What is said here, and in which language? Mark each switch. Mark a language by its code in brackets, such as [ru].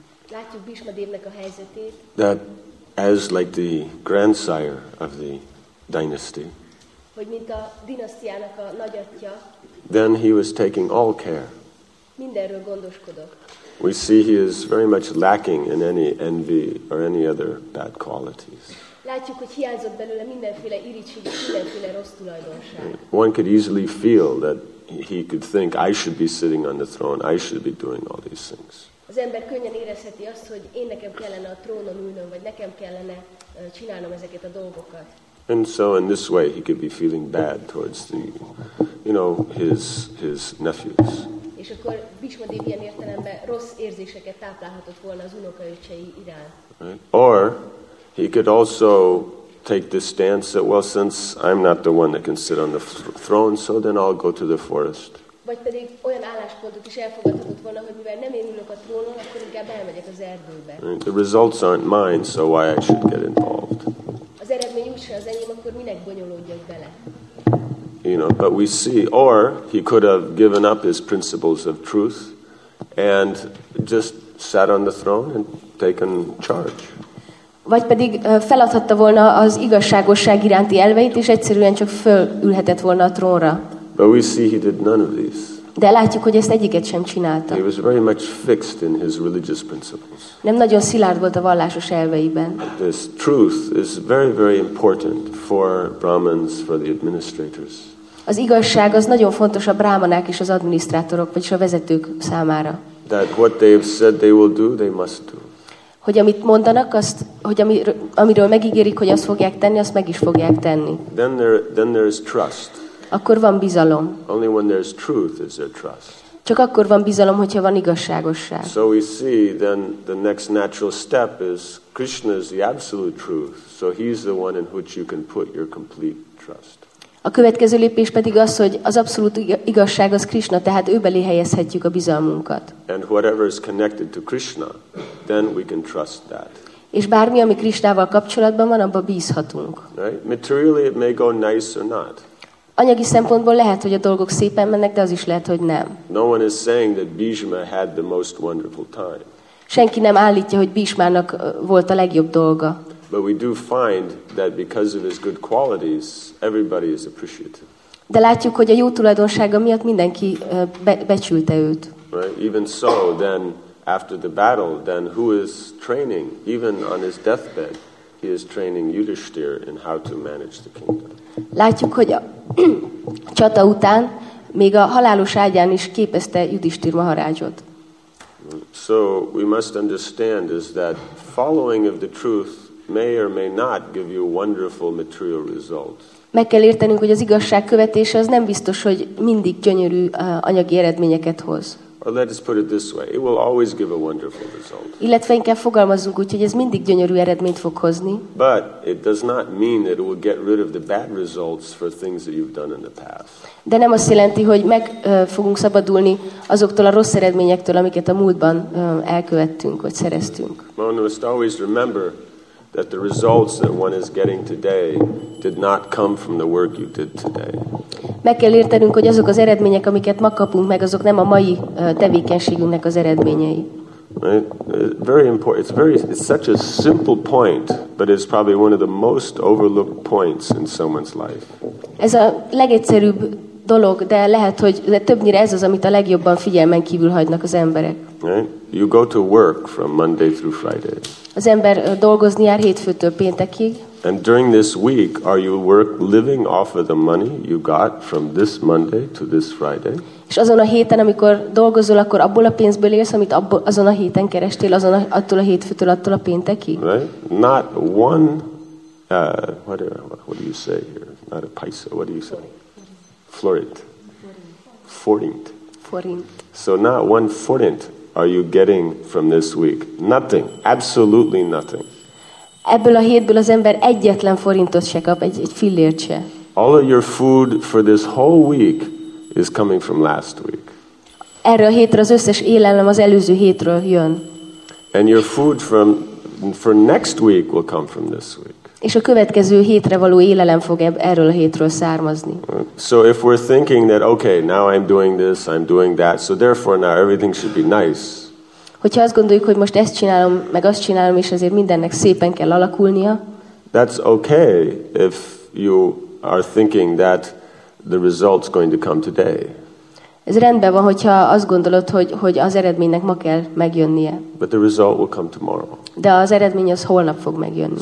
[hu] Látjuk Bhishma Devnek a helyzetét. [en] That as like the grandsire of the dynasty. [hu] Hogy mint a dinasztiának a nagyatja. [en] Then he was taking all care. [hu] Mindenről gondoskodott. [en] We see he is very much lacking in any envy or any other bad qualities. [hu] Látjuk, hogy hiányzott belőle mindenféle irigység, mindenféle rossz tulajdonság. [en] One could easily feel that he could think, I should be sitting on the throne, I should be doing all these things. [hu] Az ember könnyen érezheti azt, hogy én nekem kellene a trónon ülnöm, vagy nekem kellene csinálnom ezeket a dolgokat. [en] And so in this way he could be feeling bad towards the, you know, his nephews. [hu] És akkor Bhishma Dev ilyen értelemben rossz érzéseket táplálhatott volna az unokaöcsei irán. [en] Right. Or he could also take this stance that, well, since I'm not the one that can sit on the throne, so then I'll go to the forest. [hu] Vagy pedig olyan álláspontot is elfogadhatott volna, hogy mivel nem én ülök a trónon, akkor inkább elmegyek az erdőbe. [en] The results aren't mine, so why I should get involved? [hu] Az eredmény úgyse az enyém, akkor minek bonyolódjak bele? [en] You know, but we see, or he could have given up his principles of truth and just sat on the throne and taken charge. [hu] Vagy pedig feladhatta volna az igazságosság iránti elveit, és egyszerűen csak fölülhetett volna a trónra. [en] But we see he did none of these. [hu] De látjuk, hogy ezt egyiket sem csinálta. [en] He was very much fixed in his religious principles. [hu] Nem nagyon szilárd volt a vallásos elveiben. [en] This truth is very, very important for Brahmins, for the administrators. [hu] Az igazság az nagyon fontos a brámanák és az adminisztrátorok, vagyis a vezetők számára. [en] That what they have said they will do, they must do. [hu] Hogy amit mondanak, azt, hogy amiről megígérik, hogy azt fogják tenni, azt meg is fogják tenni. [en] Then there is trust. [hu] Akkor van bizalom. [en] Only when there is truth is there trust. [hu] Csak akkor van bizalom, hogyha van igazságosság. [en] So we see then the next natural step is Krishna is the absolute truth, so he's the one in which you can put your complete trust. [hu] A következő lépés pedig az, hogy az abszolút igazság az Krishna, tehát ő belé helyezhetjük a bizalmunkat. [en] And whatever is connected to Krishna, then we can trust that. [hu] És bármi, ami Krishnával kapcsolatban van, abba bízhatunk. [en] Right? Materially it may go nice or not. [hu] Anyagi szempontból lehet, hogy a dolgok szépen mennek, de az is lehet, hogy nem. [en] No one is saying that Bhishma had the most wonderful time. [hu] Senki nem állítja, hogy Bhishmának volt a legjobb dolga. [en] But we do find that because of his good qualities, everybody is appreciative. [hu] De látjuk, hogy a jó tulajdonsága miatt mindenki becsülte őt. [en] Right? Even so, then after the battle, then who is training? Even on his deathbed, he is training Yudhishthir in how to manage the kingdom. [hu] Látjuk, hogy a csata után még a halálos ágyán is képezte Yudhishthir Maharajot. [en] So we must understand is that following of the truth may or may not give you wonderful material results. [hu] Meg kell értenünk, hogy az igazság követése az nem biztos, hogy mindig gyönyörű anyagi eredményeket hoz. [en] Or let us put it this way, it will always give a wonderful result. [hu] Illetve inkább fogalmazzunk úgy, hogy ez mindig gyönyörű eredményt fog hozni. [en] But it does not mean that it will get rid of the bad results for things that you've done in the past. [hu] De nem azt jelenti, hogy meg fogunk szabadulni azoktól a rossz eredményektől, amiket a múltban elkövettünk, vagy szereztünk. [en] One must always remember that the results that one is getting today did not come from the work you did today. [hu] Meg kell értenünk, hogy azok az eredmények, amiket ma kapunk meg, azok nem a mai tevékenységünknek az eredményei. [en] It's such a simple point, but it's probably one of the most overlooked points in someone's life. [hu] Ez a legegyszerűbb dolog, de lehet, hogy de többnyire ez az, amit a legjobban figyelmen kívül hagynak az emberek. [en] Right? You go to work from Monday through Friday. [hu] Az ember dolgozni jár hétfőtől péntekig. [en] And during this week, are you living off of the money you got from this Monday to this Friday? [hu] És azon a héten, amikor dolgozol, akkor abból a pénzből élsz, amit abból, azon a héten kerestél, azon a, attól a hétfőtől, attól a péntekig? [en] Right? Not one, what do you say here? Not a paisa, what do you say? Forint. So not one forint are you getting from this week? Nothing. Absolutely nothing. [hu] Ebből a hétből az ember egyetlen forintot se kap, egy fillért se. [en] All of your food for this whole week is coming from last week. [hu] erre a hétre az összes élelem az előző hétről jön. [en] And your food for next week will come from this week. [hu] És a következő hétre való élelem fog erről a hétről származni. [en] So if we're thinking that okay, now I'm doing this, I'm doing that, so therefore now everything should be nice. [hu] Hogyha azt gondoljuk, hogy most ezt csinálom, meg azt csinálom, és azért mindennek szépen kell alakulnia. [en] That's okay if you are thinking that the result's going to come today. [hu] Ez rendben van, hogyha azt gondolod, hogy az eredménynek ma kell megjönnie. [en] But the result will come tomorrow. [hu] De az eredmény az holnap fog megjönni.